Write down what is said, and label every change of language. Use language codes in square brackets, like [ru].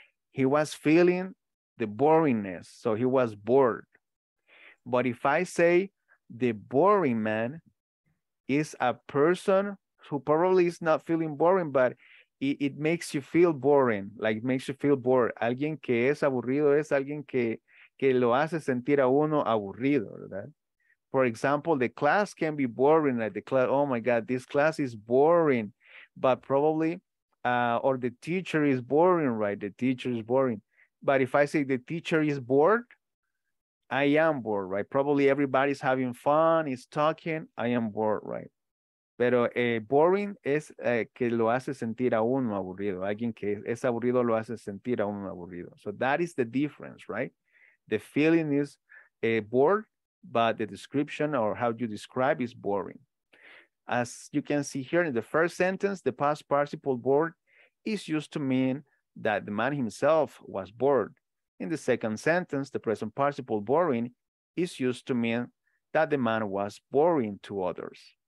[en] He was feeling the boringness, so he was bored. But if I say the boring man is a person who probably is not feeling boring, but it makes you feel boring, like makes you feel bored. [es] Alguien que es aburrido es alguien que lo hace sentir a uno aburrido, ¿verdad? [en] For example, the class can be boring, like the class, oh my God, this class is boring, but probably, or the teacher is boring, right? The teacher is boring. But if I say the teacher is bored, I am bored, right? Probably everybody's having fun, is talking, I am bored, right? [es] Pero boring es que lo hace sentir a uno aburrido. Alguien que es aburrido lo hace sentir a uno aburrido. [en] So that is the difference, right? The feeling is bored, but the description or how you describe is boring. As you can see here in the first sentence, the past participle bored is used to mean that the man himself was bored. In the second sentence, the present participle boring is used to mean that the man was boring to others.